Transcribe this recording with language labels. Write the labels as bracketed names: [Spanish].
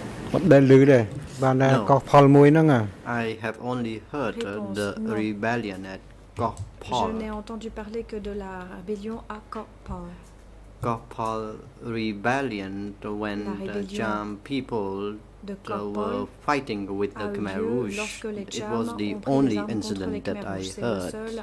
[English] No, I have only heard the rebellion at Koh Phol. [French] Je n'ai entendu parler que de la rébellion à Koh Phol. [English] Koh Phol rebellion when the CHAM people were fighting with the Khmer Rouge. It was the only incident that I heard.